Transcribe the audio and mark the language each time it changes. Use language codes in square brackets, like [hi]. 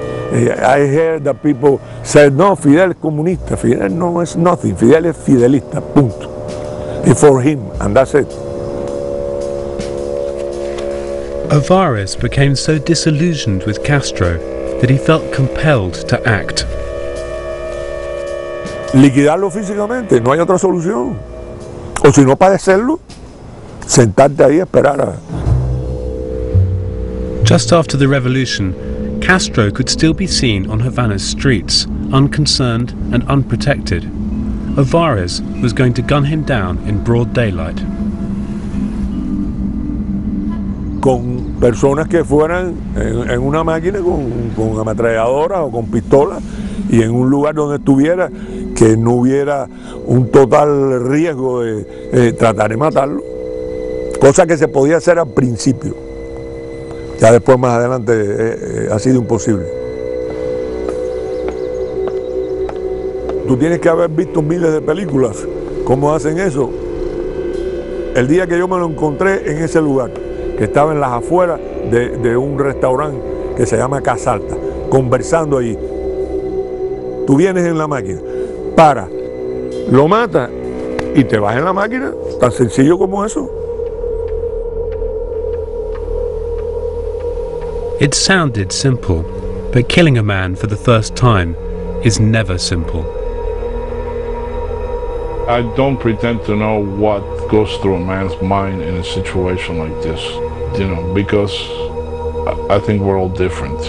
[en] I heard that people said, no, Fidel is comunista, Fidel no is nothing, Fidel is fidelista, punto. Before him, and that's it. Ovarez became so disillusioned with Castro that he felt compelled to act. [es] Liquidarlo físicamente, no hay otra solución. O si no padecerlo, sentarte ahí y esperar. [en] Just after the revolution, Castro could still be seen on Havana's streets, unconcerned and unprotected. Ovarez was going to gun him down in broad daylight. [es] Con personas que fueran en una máquina con ametralladora o con pistola y en un lugar donde estuviera que no hubiera un total riesgo de tratar de matarlo, cosa que se podía hacer al principio. Ya después más adelante ha sido imposible. Tú tienes que haber visto miles de películas cómo hacen eso. El día que yo me lo encontré en ese lugar, que estaba en las afueras de un restaurante que se llama Casalta, conversando allí. Tú vienes en la máquina, para, lo mata y te vas en la máquina, tan sencillo como eso. [en] It sounded simple, but killing a man for the first time is never simple. I don't pretend to know what goes through a man's mind in a situation like this, you know, because I think we're all different.